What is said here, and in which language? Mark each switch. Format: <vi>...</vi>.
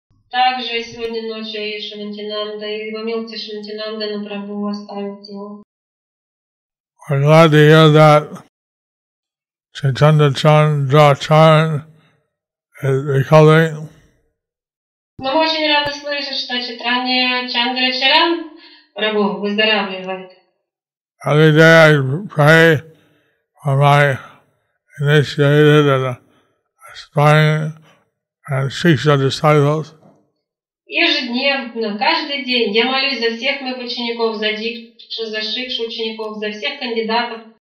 <ru>Также сегодня ночью Шамантинанда и его милости Шамантинанда на Прабу оставил тело.</ru> <en>I'm glad to hear that Chaitanya Chandracharan is recovering.</en> <ru>Но мы очень рады слышать, что Чайтанья Чандрачаран Прабу выздоравливает.</ru> <en>Every day I pray for my initiated and aspiring and Shiksha disciples.</en> <ru>Ежедневно, каждый день я молюсь за всех моих учеников, за дикшу, за шикшу учеников, за всех кандидатов.</ru>